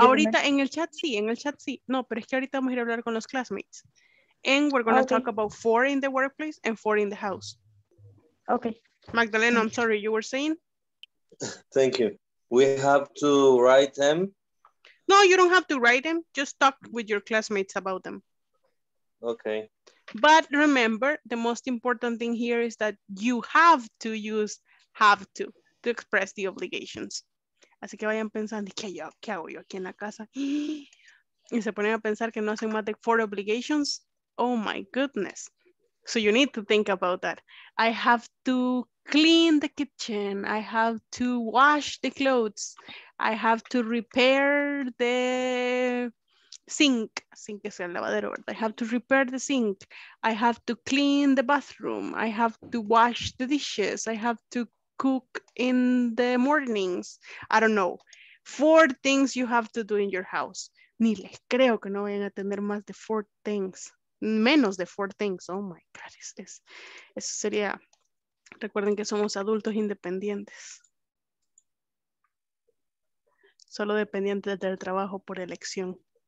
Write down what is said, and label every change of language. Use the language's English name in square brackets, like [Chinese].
[Spanish] Ahorita en el chat sí, en el chat sí. No, pero es que ahorita vamos a ir a hablar con los classmates. [English] And we're going to talk about four in the workplace and four in the house. Okay. Magdalena, I'm sorry, you were saying? Thank you. We have to write them? No, you don't have to write them. Just talk with your classmates about them. Okay. But remember, the most important thing here is that you have to use have to express the obligations. [Spanish] Así que vayan pensando, ¿qué hago yo aquí en la casa? Y se ponen a pensar que no hacen más de [English] four obligations. Oh my goodness. So you need to think about that. I have to clean the kitchen. I have to wash the clothes. I have to repair the sink, sink [Spanish] es el lavadero, ¿verdad? [English] I have to repair the sink. I have to clean the bathroom. I have to wash the dishes. I have to cook in the mornings. I don't know. Four things you have to do in your house. [Spanish] Ni les creo que no vayan a tener más de [English] four things. [Spanish] Menos de [English] four things. Oh my God. [Spanish] Eso sería. Recuerden que somos adultos independientes. Solo dependientes del trabajo por elección.